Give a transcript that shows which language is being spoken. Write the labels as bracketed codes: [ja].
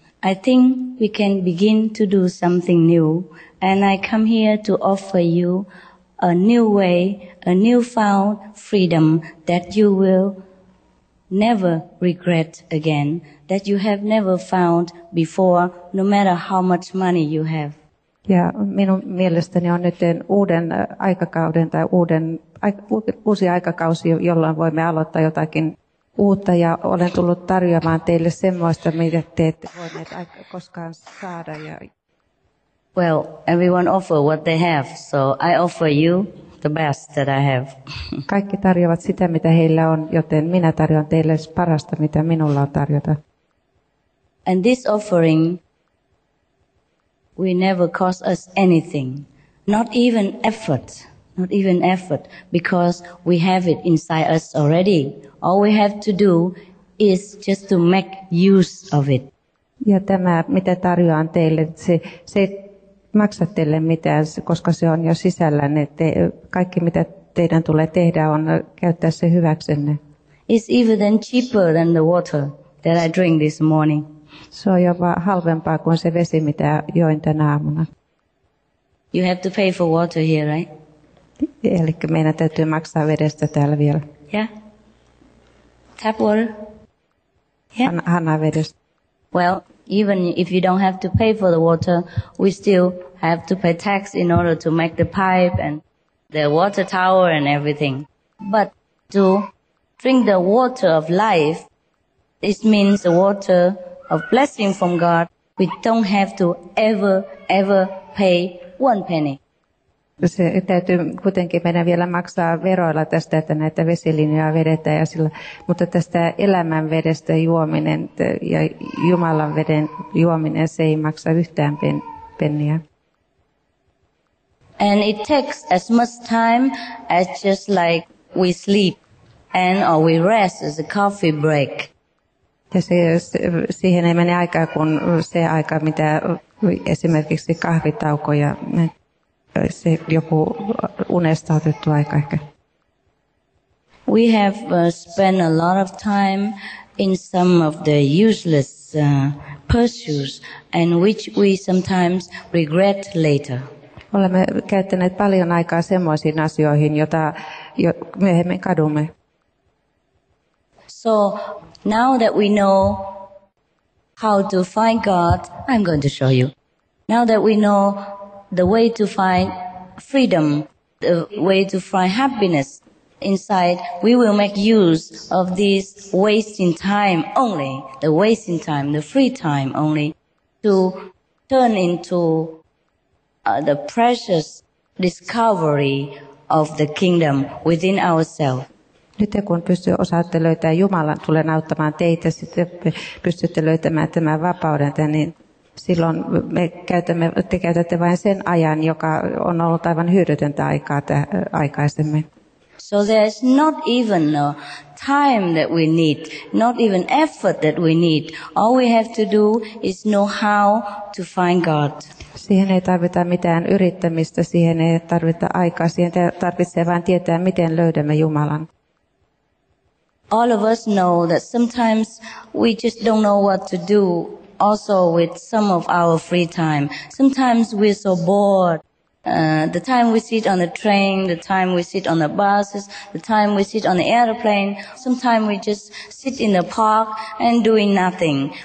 [en] I think we can begin to do something new, and I come here to offer you a new way, a newfound freedom that you will never regret again, that you have never found before, no matter how much money you have. [fi] Ja minun mielestäni on nyt uuden aikakauden tai uusi aikakausi, jolloin voimme aloittaa jotakin uutta, ja olen tullut tarjoamaan teille semmoista, mitä te ette voineet koskaan saada. Ja [en] well, everyone offer what they have, so I offer you the best that I have. [fi] Kaikki tarjoavat sitä, mitä heillä on, joten minä tarjoan teille parasta, mitä minulla on tarjota. [en] And this offering will never cost us anything, not even effort, because we have it inside us already. All we have to do is just to make use of it. [fi] Ja tämä, mitä tarjoan teille, se maksa teille mitään, koska se on jo sisällä. Kaikki, mitä teidän tulee tehdä, on käyttää se hyväksenne. [en] It's even cheaper than the water that I drink this morning. [fi] Se on jopa halvempaa kuin se vesi, mitä join tänä aamuna. [en] You have to pay for water here, right? [fi] Eli meidän täytyy maksaa vedestä täällä vielä. [en] Yeah. Tap water. Yeah. [fi] Hanna vedestä. [en] Well, even if you don't have to pay for the water, we still have to pay tax in order to make the pipe and the water tower and everything. But to drink the water of life, this means the water of blessing from God, we don't have to ever pay one penny. [fi] Se täytyy kuitenkin meidän vielä maksaa veroilla tästä, että näitä vesilinjoja vedetään ja sillä, mutta tästä elämän vedestä juominen ja Jumalan veden juominen, se ei maksa yhtään penniä. [en] And it takes as much time as just like we sleep and or we rest as a coffee break. [fi] Ja siihen ei mene aikaa kuin se aika, mitä esimerkiksi kahvitaukoja. Se joku unesta otettu aika ehkä. [en] We have spent a lot of time in some of the useless pursuits and which we sometimes regret later. [fi] Olemme käyttäneet paljon aikaa semmoisiin asioihin, joita myöhemmin kadumme. [en] So now that we know how to find God, I'm going to show you. Now that we know the way to find freedom, the way to find happiness inside, we will make use of this wasting time only, the wasting time, the free time only, to turn into the precious discovery of the kingdom within ourselves. [fi] Nyt kun osaatte löytää Jumalan, tulen auttamaan teitä, sitten pystytte löytämään tämän vapauden, niin silloin te käytätte vain sen ajan, joka on ollut aivan hyödytöntä aikaa aikaisemmin. [en] So there's not even a time that we need, not even effort that we need. All we have to do is know how to find God. [fi] Siihen ei tarvita mitään yrittämistä, siihen ei tarvita aikaa, siihen tarvitsee vain tietää, miten löydämme Jumalan. [en] All of us know that sometimes we just don't know what to do. Also with some of our free time. Sometimes we're so bored. The time we sit on the train, the time we sit on the buses, the time we sit on the airplane, sometimes we just sit in the park and doing nothing.